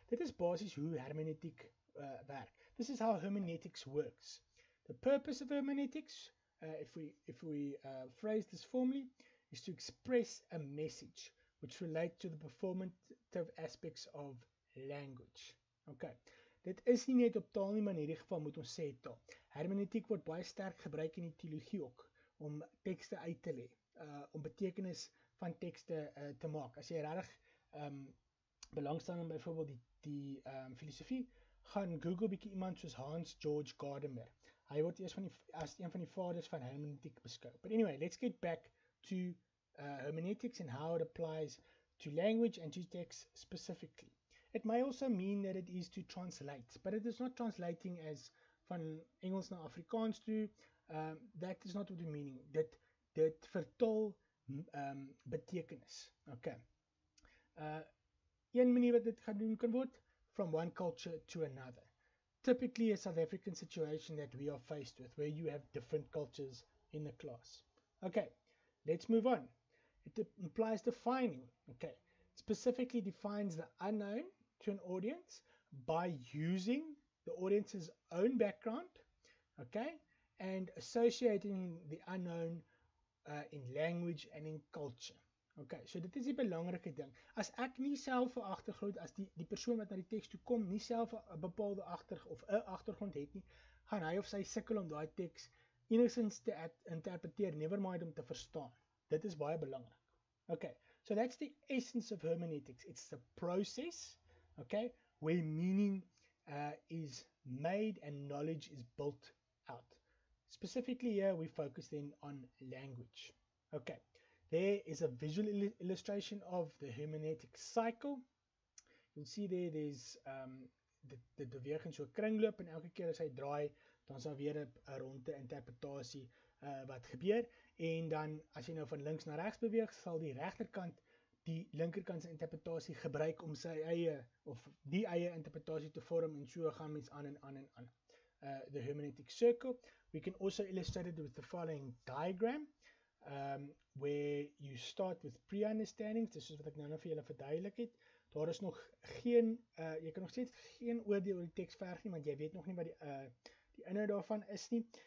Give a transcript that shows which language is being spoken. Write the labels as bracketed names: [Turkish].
[Afrikaans] Dit is basis hoe hermeneutiek werk. [English] This is how hermeneutics works. The purpose of hermeneutics, if we phrase this formally, is to express a message which relates to the performative aspects of language. [Afrikaans] Okay. Dit is nie net op taal nie, maar in hierdie geval moet ons sê taal. Hermeneutiek word baie sterk gebruik in die teologie ook, om tekste uit te lê, om betekenis van tekste te maak. As jy regtig belangstel in byvoorbeeld die filosofie, gaan Google bietjie iemand soos Hans George Gadamer. Hy word eers as een van die vaders van hermeneutiek beskou. [English] But anyway, let's get back to hermeneutics and how it applies to language and to text specifically. It may also mean that it is to translate, but it is not translating as [Afrikaans] van Engels na Afrikaans toe. [English] That is not what we mean. [Afrikaans] Dit vertol betekenis. [English] Okay. [Afrikaans] Een manier wat dit gedoen kan word, [English] from one culture to another. Typically a South African situation that we are faced with, where you have different cultures in the class. Okay, let's move on. It implies defining. Okay, it specifically defines the unknown to an audience by using the audience's own background, okay, and associating the unknown in language and in culture. [Afrikaans] Okay, so dit is die belangrike ding. As ek nie self 'n agtergrond as die persoon wat na die teks toe kom nie self 'n bepaalde agtergrond of 'n agtergrond het nie, gaan hy of sy sukkel om daai teks enigsins te interpreteer, [English] never mind [Afrikaans] om te verstaan. Dit is baie belangrik. [English] Okay, so that's the essence of hermeneutics. It's the process, okay, where meaning is made and knowledge is built out. Specifically here, we focus then on language. Okay, there is a visual illustration of the hermeneutic cycle. You'll see there, there's the [Afrikaans] beweging so 'n kringloop, en elke keer as hy draai, dan sal weer 'n ronde interpretasie wat gebeur, en dan as jy nou van links na regs beweeg, sal die regterkant die linkerkant se interpretasie gebruik om sy eie of die eie interpretasie te vorm, en so gaan mens aan en aan en aan. [English] The hermeneutic circle. We can also illustrate it with the following diagram, where you start with pre-understandings. [Afrikaans] Dis is wat ek nou vir julle verduidelik het. Daar is nog geen jy kan nog steeds geen oordeel oor die teks verg nie, want jy weet nog nie wat die inhoud daarvan is nie.